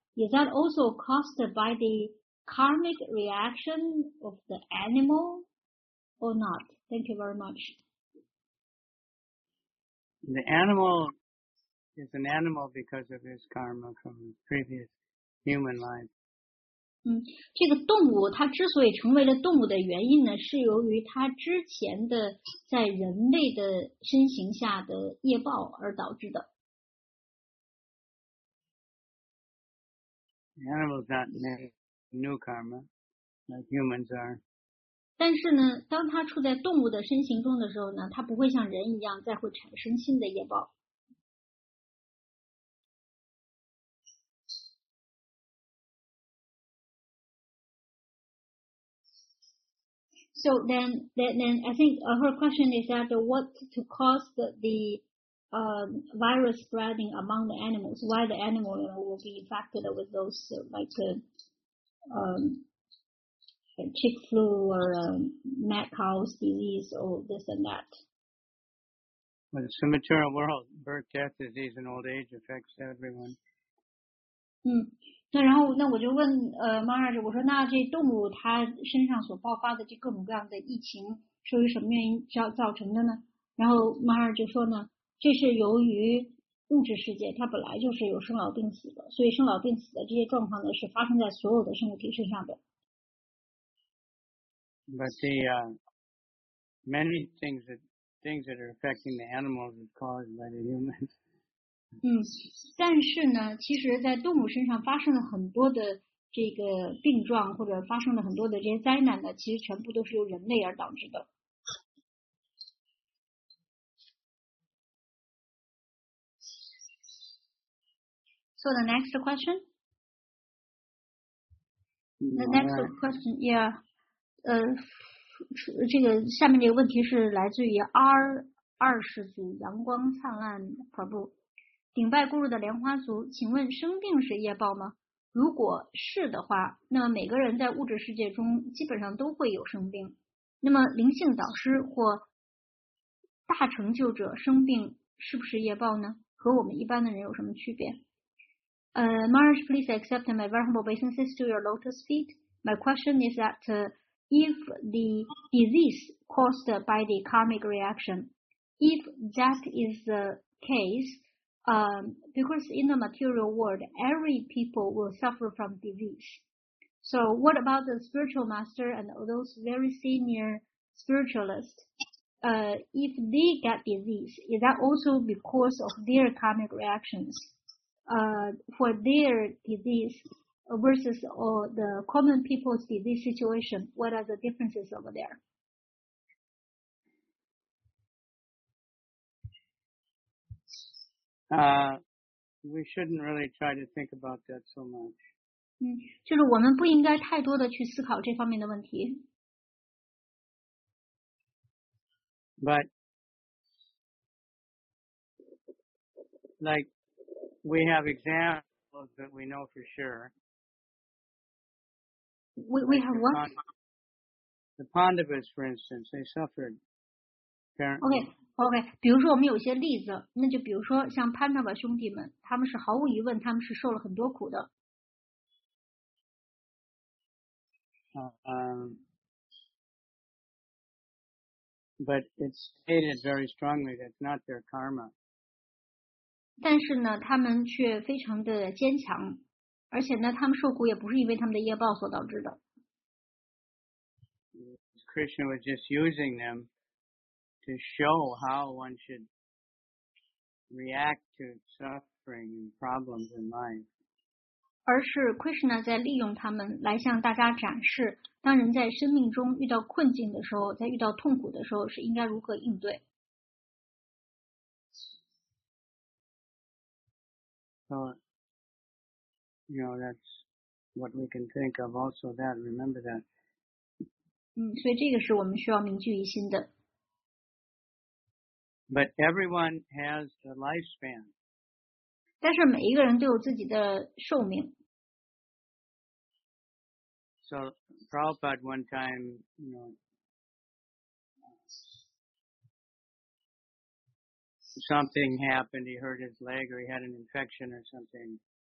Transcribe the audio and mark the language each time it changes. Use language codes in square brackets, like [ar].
[en] Is that also caused by the karmic reaction of the animal or not? Thank you very much. The animal is an animal because of his karma from previous human life. [zh] 这个动物它之所以成为了动物的原因呢，是由于它之前的在人类的身形下的业报而导致的。 [en] The animal's not made new karma, like humans are. [zh] 但是呢，当它处在动物的身形中的时候呢，它不会像人一样再会产生新的业报。 [en] So then I think her question is that what to cause the virus spreading among the animals, why the animal will be infected with those chick flu or mad cow's disease or this and that. Well, it's a material world. Birth, death, disease, and old age affects everyone. [zh] 那然后那我就问Maharaj， 我说那这动物它身上所爆发的这各种各样的疫情是由于什么原因造成的呢？然后 Maharaj 就说呢，这是由于物质世界它本来就是有生老病死的，所以生老病死的这些状况呢是发生在所有的生物体身上的。 [en] But the many things that are affecting the animals is caused by the humans. [zh] 但是呢，其实在动物身上发生了很多的这个病状，或者发生了很多的这些灾难呢，其实全部都是由人类而导致的。 [en] So the next question. The next question, yeah. [zh] 这个下面这个问题是来自于 R20组阳光灿烂跑步。顶拜咕噜的莲花族，请问生病是业报吗？如果是的话，那么每个人在物质世界中基本上都会有生病。那么灵性导师或大成就者生病是不是业报呢？和我们一般的人有什么区别？ [en] Maharaj, please accept my venerable obeisances to your lotus feet. My question is that if the disease caused by the karmic reaction, if that is the case,because in the material world, every people will suffer from disease. So what about the spiritual master and those very senior spiritualists? If they get disease, is that also because of their karmic reactions? For their disease versus the common people's disease situation, what are the differences over there? We shouldn't really try to think about that so much. [zh] 就是我们不应该太多的去思考这方面的问题。 [en] But, like, we have examples that we know for sure. We have what? The Pandavas, for instance, they suffered, apparently. [zh] OK, 比如说我们有些例子，那就比如说像潘塔瓦兄弟们，他们是毫无疑问，他们是受了很多苦的。 [en] But it's stated very strongly that it's not their karma. [zh] 但是呢，他们却非常的坚强，而且呢，他们受苦也不是因为他们的业报所导致的。 [en] Krishna was just using them. To show how one should react to suffering and problems in life. [zh] 而是 Krishna 在利用他们来向大家展示，当人在生命中遇到困境的时候，在遇到痛苦的时候，是应该如何应对。 [en] So, you know, that's what we can think of. Also, that remember that. [zh] 所以这个是我们需要铭记于心的。 [en] But everyone has a lifespan. [zh] 但是每一个人都有自己的寿命。 [en] So, Prabhupada one time, you know, something happened, he hurt his leg or he had an infection or something.